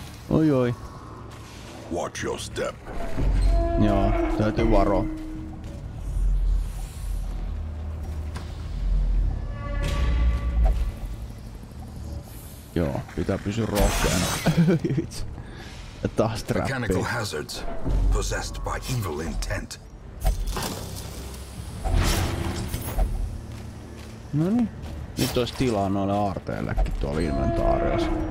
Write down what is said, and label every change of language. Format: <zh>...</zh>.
<fi>Oi oi.</fi> <en>Watch your step.</en> <fi>Joo, täytyy varoa. Joo, pitää pysyä rohkeana. Vitsi. Taas trappi.</fi> <en>Mechanical hazards, possessed by evil intent.</en> <fi>Noniin. Nyt olisi tilaa noille aarteillekin tuolla inventaariossa.</fi>